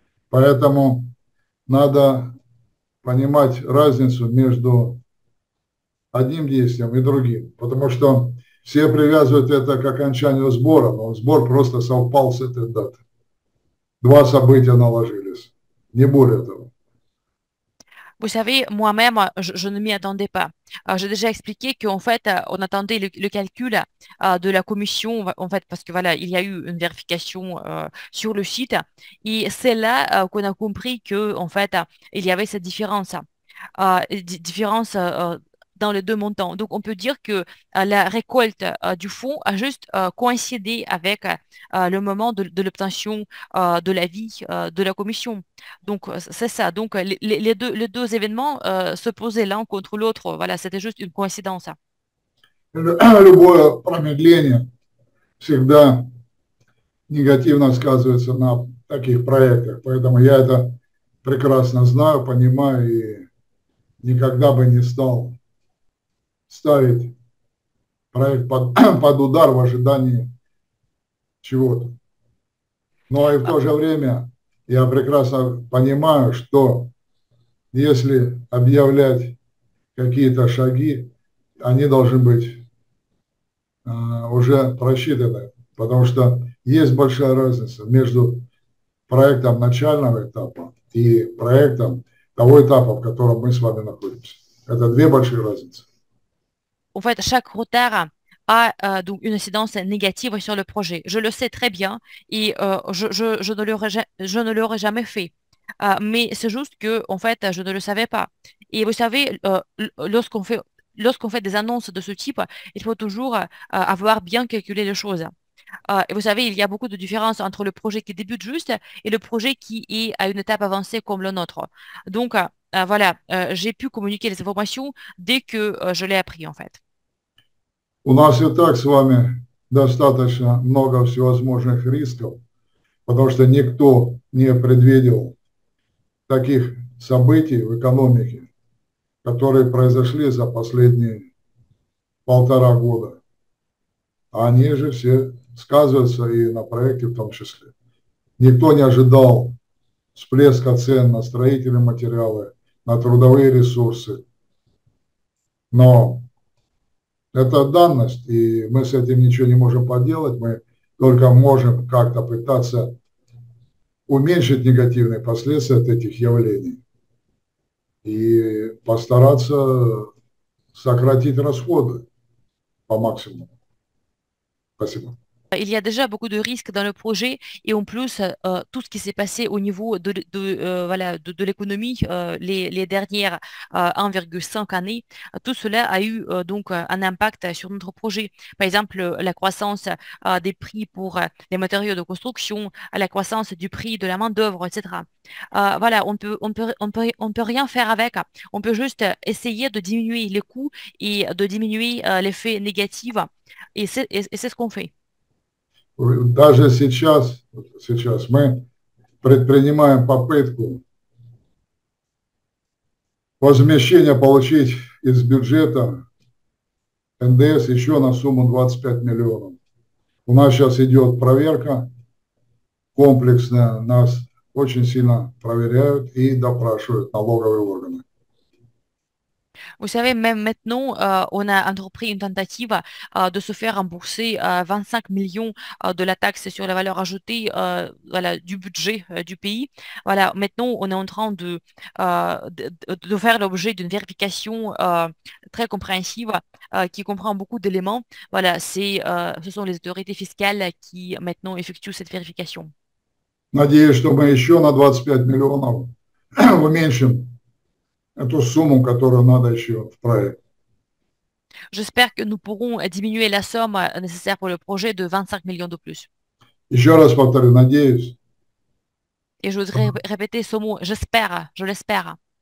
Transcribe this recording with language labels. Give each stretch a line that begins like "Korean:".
Russian: Поэтому надо понимать разницу между одним действием и другим. Потому что все привязывают это к окончанию сбора, но сбор просто совпал с этой датой. Два события наложились, не более того.
French: Vous savez, moi-même, je ne m'y attendais pas. J'ai déjà expliqué qu'en fait, on attendait le calcul de la commission, en fait, parce que voilà, il y a eu une vérification sur le site. Et c'est là qu'on a compris que, en fait, il y avait cette différence. Différence dans les deux montants. Donc, on peut dire que la récolte du fonds a juste coïncidé avec le moment de l'obtention de l'avis de la commission. Donc, c'est ça. Donc, les deux événements se posaient l'un contre l'autre. Voilà, c'était juste une coïncidence.
Russian: Любое промедление всегда негативно сказывается на таких проектах. Поэтому я это прекрасно знаю, понимаю и никогда бы не стал ставить проект под удар в ожидании чего-то. Но и в то же время я прекрасно понимаю, что если объявлять какие-то шаги, они должны быть уже просчитаны, потому что есть большая разница между проектом начального этапа и проектом того этапа, в котором мы с вами находимся. Это две большие разницы.
French: En fait, chaque retard a donc une incidence négative sur le projet. Je le sais très bien et je ne l'aurais jamais fait. Mais c'est juste que, en fait, je ne le savais pas. Et vous savez, lorsqu'on fait des annonces de ce type, il faut toujours avoir bien calculé les choses. Vous savez, il y a beaucoup de différences entre le projet qui débute juste et le projet qui est à une étape avancée comme le nôtre. Donc, voilà, j'ai pu communiquer les informations dès que je l'ai appris, en fait.
Russian: У нас и так с вами достаточно много всевозможных рисков, потому что никто не предвидел таких событий в экономике, которые произошли за последние полтора года. Они же все сказываются и на проекте в том числе. Никто не ожидал всплеска цен на строительные материалы, на трудовые ресурсы. Но это данность, и мы с этим ничего не можем поделать. Мы только можем как-то пытаться уменьшить негативные последствия от этих явлений и постараться сократить расходы по максимуму. Спасибо.
French: Il y a déjà beaucoup de risques dans le projet et en plus, tout ce qui s'est passé au niveau voilà, de l'économie les dernières 1,5 années, tout cela a eu donc un impact sur notre projet. Par exemple, la croissance des prix pour les matériaux de construction, la croissance du prix de la main-d'œuvre, etc. Voilà, on peut rien faire avec. On peut juste essayer de diminuer les coûts et de diminuer l'effet négatif. Et c'est ce qu'on fait.
Russian: Даже сейчас мы предпринимаем попытку возмещения получить из бюджета НДС еще на сумму 25 миллионов. У нас сейчас идет проверка комплексная, нас очень сильно проверяют и допрашивают налоговые органы.
French: Vous savez, même maintenant, on a entrepris une tentative de se faire rembourser 25 millions de la taxe sur la valeur ajoutée voilà, du budget du pays. Voilà, maintenant, on est en train de faire l'objet d'une vérification très compréhensive qui comprend beaucoup d'éléments. Voilà, ce sont les autorités fiscales qui maintenant effectuent cette vérification.
Russian: Надеюсь, что мы еще на 25 миллионов уменьшим эту сумму, которую надо еще в проект.
French: J'espère que nous pourrons diminuer la somme nécessaire пour le projet de 25 millions de plus.
Russian: Еще раз повторю, надеюсь.
French: Et je voudrais répéter ce mot, j'espère, je l'espère.